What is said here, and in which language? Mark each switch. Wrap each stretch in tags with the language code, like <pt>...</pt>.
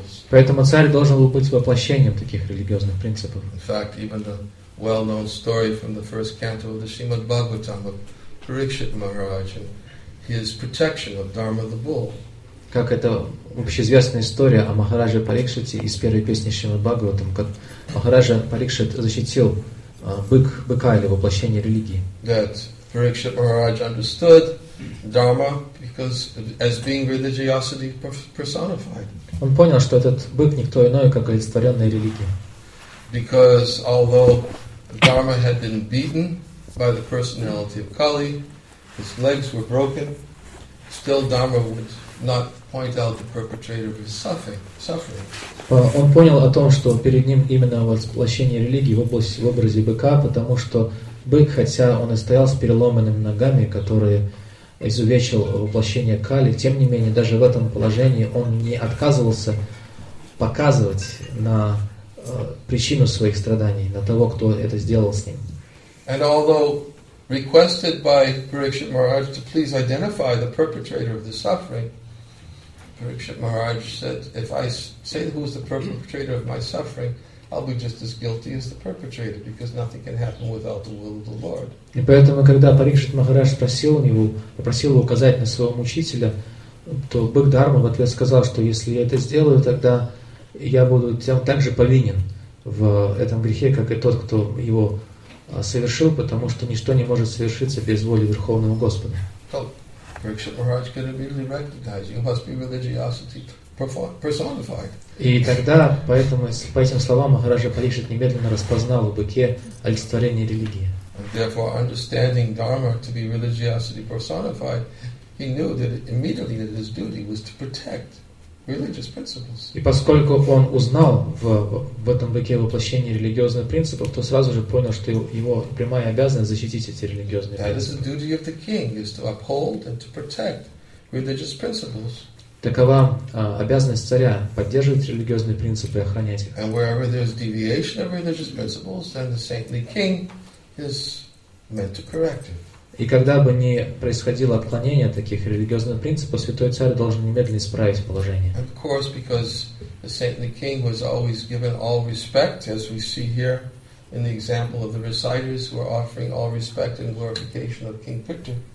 <ru>Поэтому царь должен был быть воплощением таких религиозных принципов.</ru> <en>In fact, even the well-known story from the first canto of the Srimad Bhagavatam of Parikshit Maharaj and his protection of Dharma the Bull.</en> <ru>Как это общеизвестная история о Махарадже Парикшите из первой песни Шримад Бхагаватам, как Махараджа Парикшит защитил быка или воплощение религии.</ru> <en>That Parikshit Maharaj understood Dharma because as being religiosity personified.</en> <ru>Он понял, что этот бык никто иной, как олицетворенная религия.</ru> <en>Because although Dharma had been beaten by the personality of Kali, his legs were broken, still Dharma would not point out the perpetrator of his suffering.</en> <ru>Он понял о том, что перед ним именно воплощение религии в образе быка, потому что бык, хотя он и стоял с переломанными ногами, которые изувечил воплощение Кали, тем не менее, даже в этом положении он не отказывался показывать на причину своих страданий, на того, кто это сделал с ним.</ru> <en>And although requested by Parikshit Maharaj to please identify the perpetrator of the suffering, Parikshit Maharaj said, if I say who is the perpetrator of my suffering, I'll be just as guilty as the perpetrator, because nothing can happen without the will of the Lord.</en> <ru>И поэтому, когда Парикшит Махарадж спросил у него, попросил его указать на своего мучителя, то Бык Дхарма в ответ сказал, что если я это сделаю, тогда я буду так же повинен в этом грехе, как и тот, кто его совершил, потому что ничто не может совершиться без воли Верховного Господа.</ru> <en>So, Parikshit Maharaj could immediately recognize you must be religiosity personified.</en> <ru>И тогда, поэтому, по этим словам, Махараджа Парикшит немедленно распознал в быке олицетворение религии.</ru> <en>Therefore, understanding Dharma to be religiosity personified, he knew that immediately that his duty was to protect religious principles.</en> <ru>И поскольку он узнал в этом быке воплощение религиозных принципов, то сразу же понял, что его прямая обязанность защитить эти религиозные принципы.</ru> <en>That is the duty of the king, is to uphold and to protect religious principles.</en> <ru>Такова обязанность царя поддерживать религиозные принципы и охранять их.</ru> <en>And wherever there is deviation of religious principles, then the saintly king is meant to correct it.</en> <ru>И когда бы ни происходило отклонение таких религиозных принципов, святой царь должен немедленно исправить положение.</ru> <en>Of course, because the saintly king was always given all respect, as we see here in the example of the reciters who are offering all respect and glorification of King Prithu.</en>